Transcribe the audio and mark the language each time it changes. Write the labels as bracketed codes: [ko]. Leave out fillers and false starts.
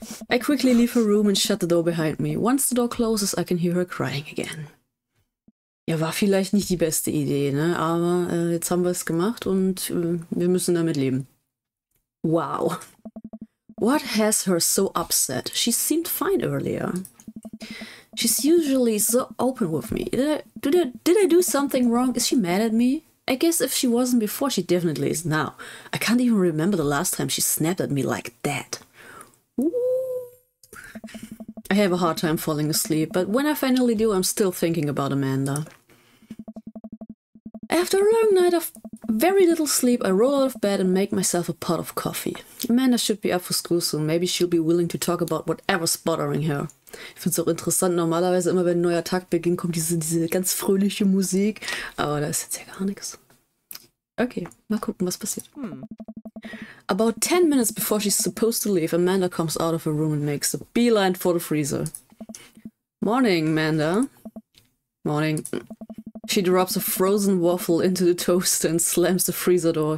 [en] I quickly leave her room and shut the door behind me. Once the door closes, I can hear her crying again. [de] Ja, war vielleicht nicht die beste Idee, ne? Aber jetzt haben wir es gemacht und wir müssen damit leben. [en] Wow. What has her so upset? She seemed fine earlier. She's usually so open with me. Did I do something wrong? Is she mad at me? I guess if she wasn't before, she definitely is now. I can't even remember the last time she snapped at me like that. Ooh. I have a hard time falling asleep, but when I finally do, I'm still thinking about Amanda. After a long night of very little sleep, I roll out of bed and make myself a pot of coffee. Amanda should be up for school soon. Maybe she'll be willing to talk about whatever's bothering her. [de] Ich find's auch interessant, normalerweise immer wenn ein neuer Tag beginnt, kommt diese ganz fröhliche Musik. Aber da ist jetzt ja gar nichts. Okay, mal gucken, was passiert. [en] About 10 minutes before she's supposed to leave, Amanda comes out of her room and makes a beeline for the freezer. Morning, Amanda. Morning. She drops a frozen waffle into the toaster and slams the freezer door.